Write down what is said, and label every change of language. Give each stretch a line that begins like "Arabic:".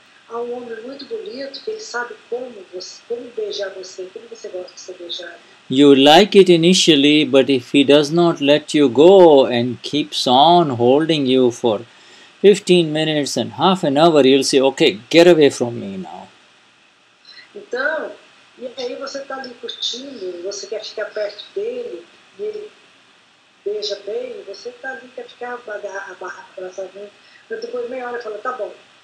Portuguese: Há um homem muito bonito que ele sabe como beijar você, como você gosta de ser beijado.
English: You like it initially, but if he does not let you go and keeps on holding you for 15 minutes and half an hour, you'll say, okay, get away from me now.
Portuguese: Então, e aí você está ali curtindo, você quer ficar perto dele, e ele beija bem, você está ali, quer ficar abraçado, mas depois meia hora fala, tá bom.